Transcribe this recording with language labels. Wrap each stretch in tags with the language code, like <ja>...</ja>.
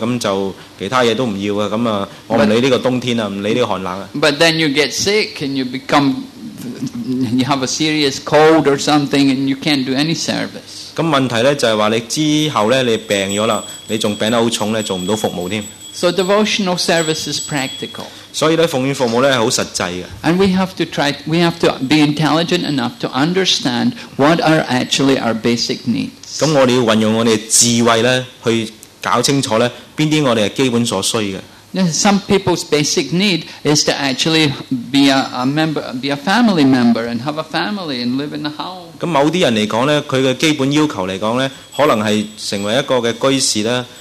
<yue>咁就其他嘢都唔要啊。咁啊，我唔理呢個冬天啊，唔理呢個寒冷啊。</yue> <en>But then you get sick and you become, you have a serious cold or something, and you can't do any service.</en> <yue>咁問題咧就係話你之後咧你病咗啦，你仲病得好重咧，做唔到服務添。</yue> <en>So devotional service is practical.</en> <yue>所以咧，奉獻服務咧係好實際嘅。</yue> <en>And we have to try. We have to be intelligent enough to understand what are actually our basic needs.</en> <yue>咁我哋要運用我哋智慧咧，去搞清楚咧邊啲我哋係基本所需嘅。</yue> <en>Some people's basic need is to actually be a member, be a family member, and have a family and live in a home.</en> <yue>咁某啲人嚟講咧，佢嘅基本要求嚟講咧，可能係成為一個嘅居士啦。</yue>